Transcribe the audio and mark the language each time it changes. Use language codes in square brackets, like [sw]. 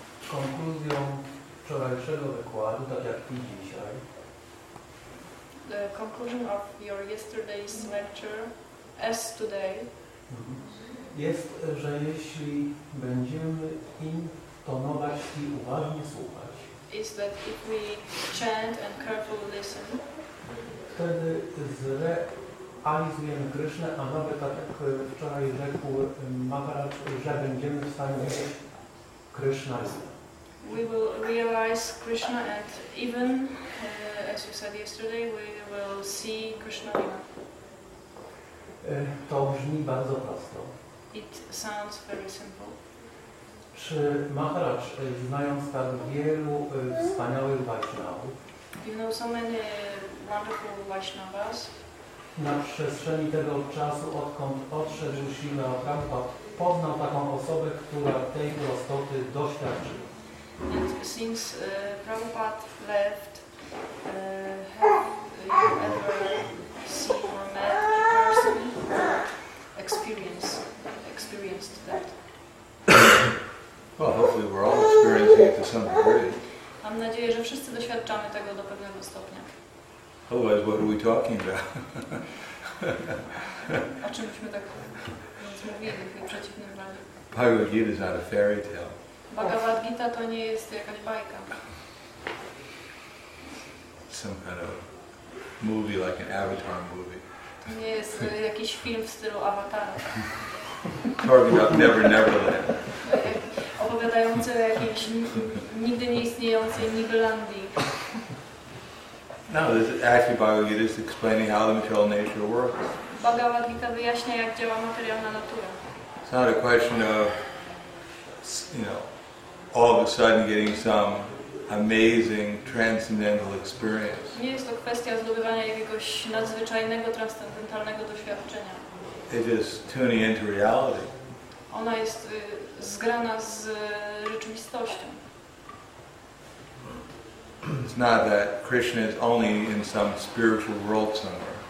[pl] Konkluzją wczorajszego wykładu, tak jak i dzisiaj. [en] The conclusion of your yesterday's lecture, as today. [pl] Jest, że jeśli będziemy intonować i uważnie słuchać, [en] is that if we chant and carefully listen, [pl] wtedy zrealizujemy Krysznę, a nawet tak jak wczoraj rzekł Maharaj, że będziemy w stanie Krishna. [en] We will realize Krishna, and even as you said yesterday, we will see Krishna. [pl] To brzmi bardzo prosto. [en] It sounds very simple. [pl] Czy Maharaj, znając tak wielu wspaniałych Vaishnavów, [en] you know so many wonderful Vaishnavas, [pl] na przestrzeni tego czasu, odkąd odszedł Śrila Prabhupada, poznał taką osobę, która tej prostoty doświadczyła? [en] And since Prabhupada left, have you ever seen or met a person experienced that? Well, hopefully we're all experiencing it to some degree. [pl] Mam nadzieję, że wszyscy doświadczamy tego do pewnego stopnia. [en] Otherwise, what are we talking about? [pl] O czym byśmy tak rozmówili w przeciwnym razie? [en] Bhagavad Gita is not a fairy tale. [pl] Bhagavad Gita to nie jest jakaś bajka. [en] Some kind of movie, like an Avatar movie. [pl] To nie jest jakiś film w stylu Avatara. [en] Talking about Never Never Land. [pl] Opowiadający o jakiejś nigdy nieistniejącej Neverlandii. [en] No, this is actually Bhagavad Gita is explaining how the material nature works. [pl] Bhagavad Gita wyjaśnia, jak działa materialna natura. [en] It's not a question of, all of a sudden getting some amazing transcendental experience. [pl] Nie jest to kwestia zdobywania jakiegoś nadzwyczajnego transcendentalnego doświadczenia. [en] It is tuning into reality. [pl] Ona jest zgrana z rzeczywistością. [en] It's not that Krishna is only in some spiritual world somewhere.